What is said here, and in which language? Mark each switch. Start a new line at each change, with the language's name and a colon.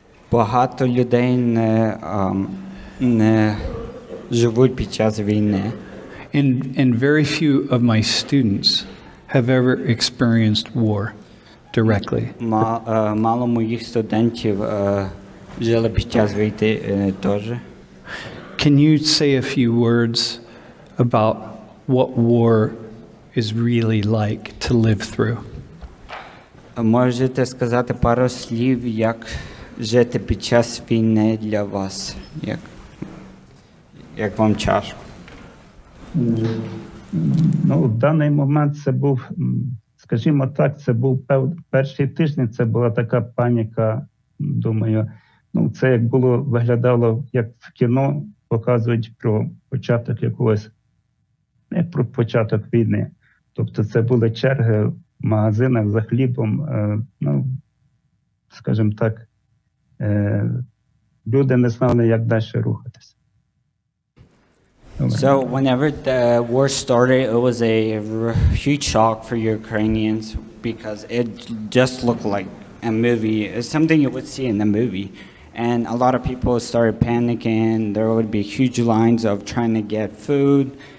Ukrainian: Багато людей не не живуть під час війни.
English: And very few of my students have ever experienced war directly.
Ukrainian: Мало моїх студентів жили під час війни теж.
English: Can you say a few words about what war is really like to live through?
Ukrainian: Можете сказати пару слів, як жити під час війни для вас? Як вам тяжко? Ну, в даний момент це був, скажімо так, це був перший тиждень, це була така паніка, думаю. Ну, це як було, виглядало, як в кіно показують про початок якогось, не про початок війни. Тобто це були черги в магазинах за хлібом, ну, скажімо так, люди не знали, як далі рухатися.
English: So whenever the war started, it was a huge shock for Ukrainians because it just looked like a movie, it's something you would see in a movie. And a lot of people started panicking. There would be huge lines of trying to get food.